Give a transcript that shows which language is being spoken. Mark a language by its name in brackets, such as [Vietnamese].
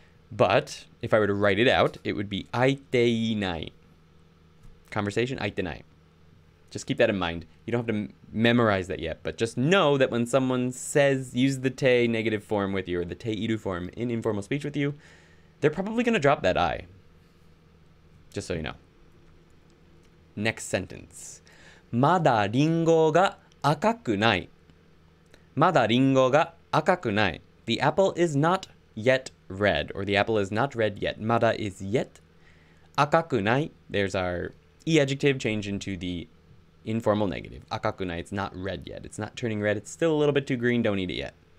[English] But if I were to write it out, it would be aiteinai. Conversation, aiteinai. Just keep that in mind. You don't have to memorize that yet, but just know that when someone says, use the te negative form with you or the te iru form in informal speech with you, they're probably going to drop that I. Just so you know. Next sentence. [Japanese] まだリンゴが赤くない. [English] The apple is not yet red, or the apple is not red yet. [Japanese] まだ [English] is yet. [Japanese] 赤くない. [English] There's our e adjective changed into the informal negative. [Japanese] 赤くない. [English] It's not red yet. It's not turning red. It's still a little bit too green. Don't eat it yet.